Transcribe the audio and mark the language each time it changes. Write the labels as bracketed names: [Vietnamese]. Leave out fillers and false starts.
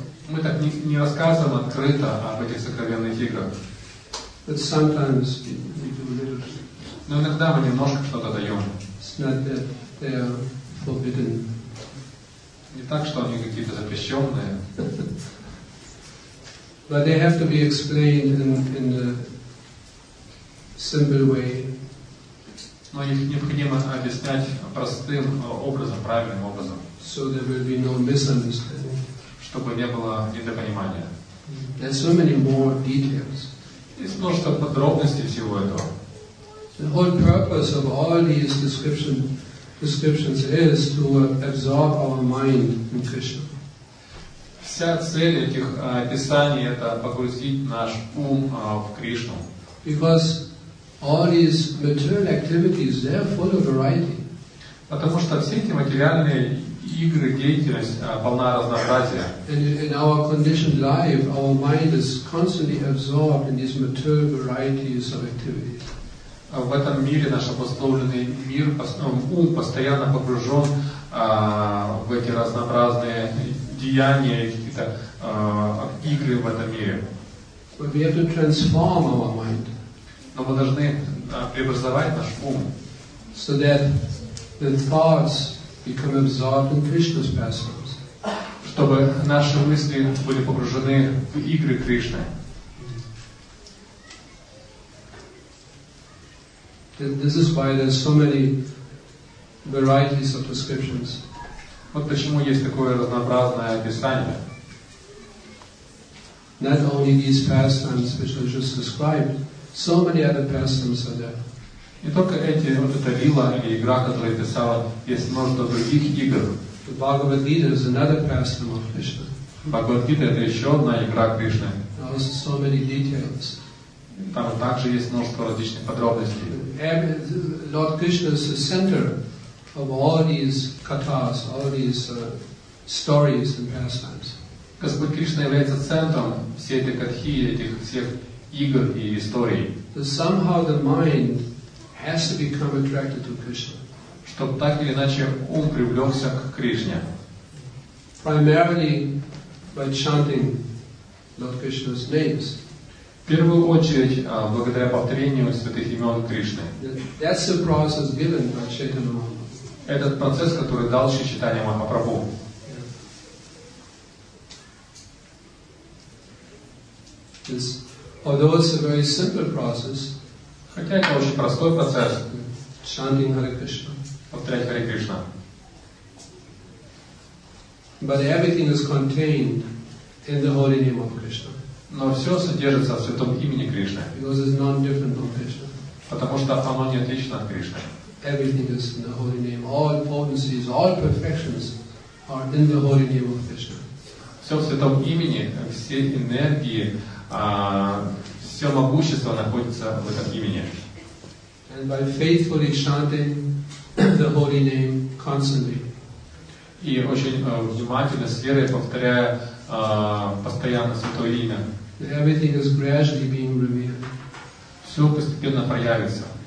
[Russian] мы так не рассказываем открыто об этих сокровенных играх. [English] But sometimes we do a little. [Russian] Но иногда мы немножко что-то даем. [English] It's not that they are forbidden. [Russian] Не так, что они какие-то запрещенные. [English] But they have to be explained in a simple way. [Russian] Но их необходимо объяснять простым образом, правильным образом. [English] So there will be no misunderstanding. [Russian] Чтобы не было недопонимания. [English] There are so many more details. [Russian] Есть множество подробностей всего этого. [English] The whole purpose of all these descriptions is to absorb our mind in Krishna. [Russian] Вся цель этих описаний — это погрузить наш ум в Кришну. [English] Because all these material activities, they are full of variety. [Russian] Потому что все эти материальные игры, деятельность полна разнообразия. [English] And in our conditioned life, our mind is constantly absorbed in these material varieties of activities. [Russian] В этом мире наш обусловленный мир, ум постоянно погружен в эти разнообразные деяния, какие-то игры в этом мире. [English] But we have to transform our mind. [Russian] Но мы должны преобразовать наш ум. [English] So that the thoughts become absorbed in Krishna's pastimes. [Russian] Чтобы наши мысли были погружены в игры Кришны. [English] This is why there's so many varieties of descriptions. [Russian] Вот почему есть такое разнообразное описание. [English] Not only these pastimes which I just described, so many other pastimes are there. [Russian] Не только эти, вот эта лила или игра, которую я писала, есть множество других игр. [English] The Bhagavad Gita is another pastime of Krishna. [Russian] Bhagavad Gita — это еще одна игра Кришны. [English] There are so many details. [Russian] Там также есть множество различных подробностей. [English] Lord Krishna is the center of all these kathas, all these stories and pastimes. [Russian] Господь Кришна является центром всей этой катхи, этих всех игр и историй. [English] So somehow the mind has to become attracted to Krishna. [Russian] Чтобы так или иначе ум привлекся к Кришне. [English] Primarily by chanting Lord Krishna's names. [Russian] В первую очередь, благодаря повторению святых имен Кришны. [English] That's the process given by Chaitanya Mahaprabhu. [Russian] Этот процесс, который дал Шри Чайтанья Махапрабху. [English] Yes. Although it's a very simple process, [Russian] хотя это очень простой процесс, [English] chanting Hare Krishna. [Russian] Повторять Hare Krishna. [English] But everything is contained in the holy name of Krishna. [Russian] Но все содержится в святом имени Кришны. [English] Because it's non-different from Krishna. [Russian] Потому что оно не отлично от Кришны. [English] Everything is in the holy name. All potencies, all perfections are in the holy name of Krishna. [Russian] всем святом имени, все энергии, все могущество находится в этом имени. [English] And by faithfully chanting the holy name constantly. [Russian] И очень внимательно, с верой повторяя постоянно святое имя. [English] Everything is gradually being revealed. [Russian] Все постепенно проявится.